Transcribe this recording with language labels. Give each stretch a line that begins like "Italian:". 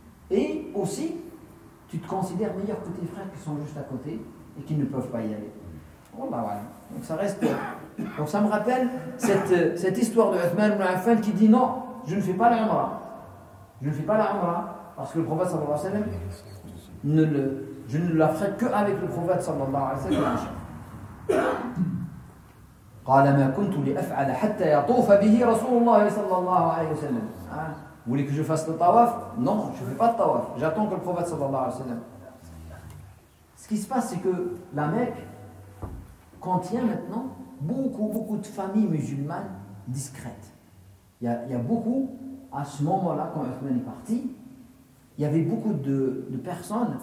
French: Et aussi, tu te considères meilleur que tes frères qui sont juste à côté et qui ne peuvent pas y aller. Oh bah ouais. Donc ça reste. Donc ça me rappelle cette histoire de Uthman ibn Affan qui dit non, je ne fais pas la umra. Je ne fais pas la umra parce que le prophète sallallahu alayhi wa sallam, je ne la ferai que avec le prophète sallallahu alayhi wa sallam.
Arabic: قال ما كنت لأفعل حتى يطوف به رسول الله صلى الله عليه وسلم.
French: Vous voulez que je fasse le tawaf? Non, je ne fais pas de tawaf. J'attends que le prophète sallallahu alayhi wa sallam. Ce qui se passe, c'est que la Mecque contient maintenant beaucoup, beaucoup de familles musulmanes discrètes. Il y a beaucoup, à ce moment-là, quand Uthman est parti, il y avait beaucoup de personnes.